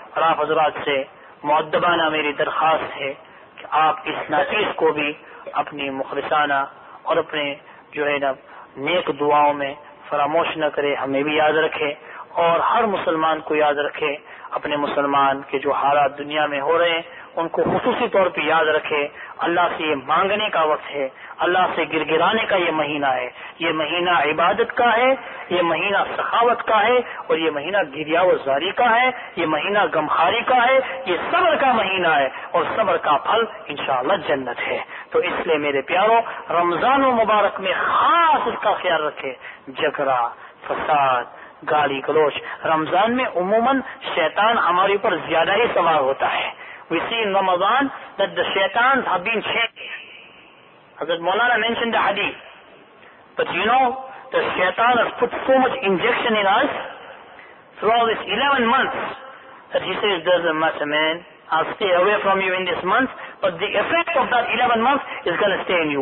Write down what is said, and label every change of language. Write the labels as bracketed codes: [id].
[ur] Aap hazrat se muaddabana meri darkhast hai ki aap is nasees ko bhi apni mukhlisana aur apne jo hai na nek duaon mein فراموش نہ کرے, ہمیں بھی یاد رکھے اور ہر مسلمان کو یاد رکھے. اپنے مسلمان کے جو حالات دنیا میں ہو رہے ہیں ان کو خصوصی طور پر یاد رکھے. اللہ سے یہ مانگنے کا وقت ہے, اللہ سے گرگرانے کا یہ مہینہ ہے, یہ مہینہ عبادت کا ہے, یہ مہینہ سخاوت کا ہے, اور یہ مہینہ گریہ و زاری کا ہے, یہ مہینہ غمخاری کا ہے, یہ صبر کا مہینہ ہے, اور صبر کا پھل انشاءاللہ جنت ہے. تو اس لیے میرے پیاروں, رمضان و مبارک میں خاص اس کا خیال رکھے, جھگڑا, فساد, گالی گلوچ. رمضان میں عموماً شیطان ہمارے اوپر زیادہ ہی سوار ہوتا ہے. [en] We see in Ramadan that the shaitans have been changed. Hazrat Maulana mentioned the hadith. But you know, the shaitan has put so much injection in us throughout this 11 months that he says, doesn't matter man, I'll stay away from you in this month, but the effect of that 11 months is going to stay in you.